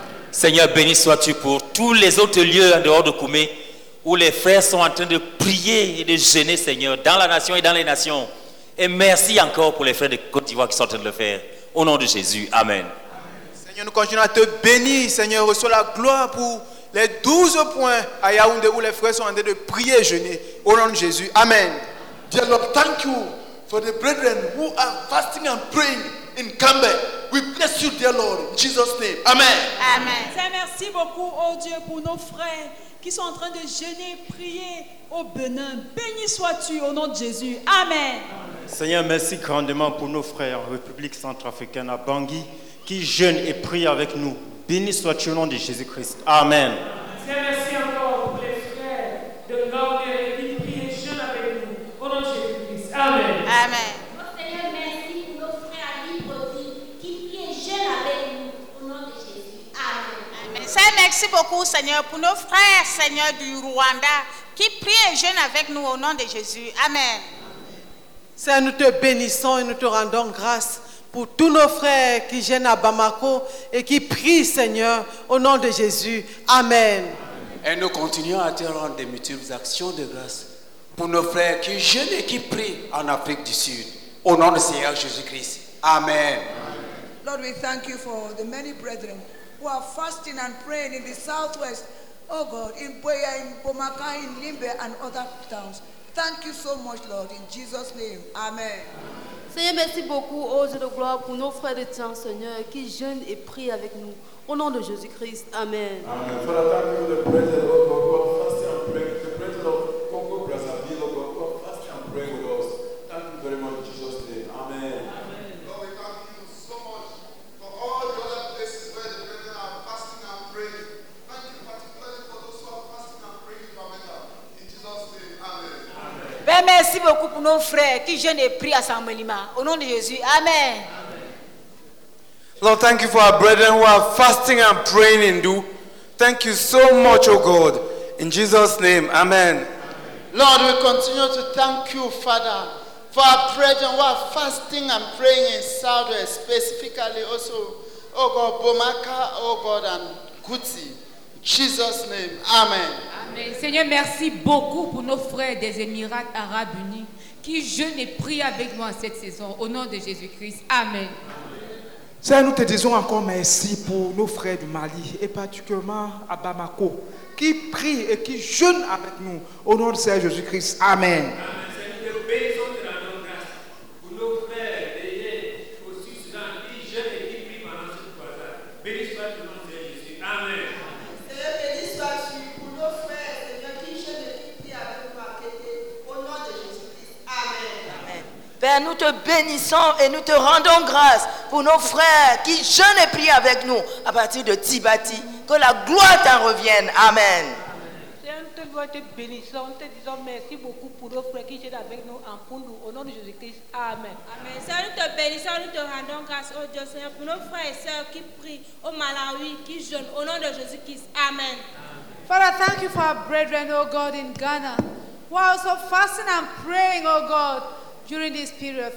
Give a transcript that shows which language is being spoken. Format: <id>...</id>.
<fr>Seigneur, béni sois-tu pour tous les autres lieux en dehors de Koumé où les frères sont en train de prier et de jeûner, Seigneur, dans la nation et dans les nations. Et merci encore pour les frères de Côte d'Ivoire qui sont en train de le faire. Au nom de Jésus, amen. Amen. Seigneur, nous continuons à te bénir, Seigneur. Reçois la gloire pour les 12 points à Yaoundé où les frères sont en train de prier et jeûner. Au nom de Jésus, amen.</fr> <en>Dear Lord, thank you for the brethren who are fasting and praying in Kambé. We bless you, dear Lord, in Jesus' name. Amen. Amen.</en> <fr>Seigneur, merci beaucoup, oh Dieu, pour nos frères qui sont en train de jeûner, prier au Bénin. Béni sois-tu au nom de Jésus. Amen. Amen. Seigneur, merci grandement pour nos frères en République centrafricaine à Bangui qui jeûnent et prient avec nous. Béni sois-tu au nom de Jésus-Christ. Amen. Seigneur, merci encore pour les frères de Gambie qui prient et jeûnent avec nous. Au nom de Jésus-Christ. Amen. Amen. Same. Merci beaucoup, Seigneur, pour nos frères, Seigneur, du Rwanda, qui prient et jeûnent avec nous au nom de Jésus. Amen. Seigneur, nous te bénissons et nous te rendons grâce pour tous nos frères qui jeûnent à Bamako et qui prient, Seigneur, au nom de Jésus. Amen. Et nous continuons à te rendre des multiples actions de grâce pour nos frères qui jeûnent et qui prient en Afrique du Sud. Au nom du Seigneur Jésus-Christ. Amen.</fr> <en>Lord, we thank you for the many brethren who are fasting and praying in the southwest. Oh God, in Boya, in Bomaka, in Limbe, and other towns. Thank you so much, Lord, in Jesus' name. Amen.</en> <fr>Seigneur, merci beaucoup, ô Dieu de gloire, pour nos frères de temps, Seigneur, qui jeûnent et prient avec nous. Au nom de Jésus-Christ. Amen. Amen.</fr> <en>Father, thank you, the brethren of God, who are fasting and praying. The brethren of Congo Brazzaville, oh God, who are fasting and praying with us. Thank you very much, Jesus' name. Amen. Lord, we thank you so much for all the other places where the brethren are fasting and praying. Thank you particularly for those who are fasting and praying in Bamenda. In Jesus' name. Amen.</en> <fr>Ben, merci beaucoup pour nos frères qui jeûnent et prient à Saint-Melima. Au nom de Jésus. Amen.</fr> <en>Lord, thank you for our brethren who are fasting and praying in Du. Thank you so much, O God. In Jesus' name, amen. Lord, we continue to thank you, Father, for our brethren who are fasting and praying in Southwest, specifically also, O God, Bomaka, O God, and Kuti. In Jesus' name, amen. Amen.</en> <fr>Seigneur, merci beaucoup pour nos frères des Émirats Arabes Unis qui jeûnent et prient avec nous en cette saison. Au nom de Jésus-Christ, amen. Seigneur, nous te disons encore merci pour nos frères du Mali et particulièrement à Bamako qui prient et qui jeûnent avec nous au nom de Seigneur Jésus-Christ. Amen. Amen. Seigneur, nous te bénissons de la grâce pour nos frères déliés aussi souvent qui jeûnent et qui prient pendant ce croisade. Béni sois ton nom, Seigneur Jésus. Amen. Seigneur, béni sois-tu pour nos frères, Seigneur, qui jeûnent et qui prient avec nous à au nom de Jésus-Christ. Amen. Amen. Père, nous te bénissons et nous te rendons grâce pour nos frères qui jeûnent et prient avec nous à partir de Tibati. Que la gloire t'en revienne. Amen. Seigneur, nous te louons et te bénissons. Nous te disons merci beaucoup pour nos frères qui jeûnent avec nous en Pundu. Au nom de Jésus-Christ. Amen. Amen. Seigneur, nous te bénissons, nous te rendons grâce au Dieu, Seigneur, pour nos frères et sœurs qui prient au Malawi, qui jeûnent. Au nom de Jésus-Christ. Amen.</fr> <en>Father, thank you for our brethren, O God, in Ghana, who are also fasting and praying, O God, during this period.</en>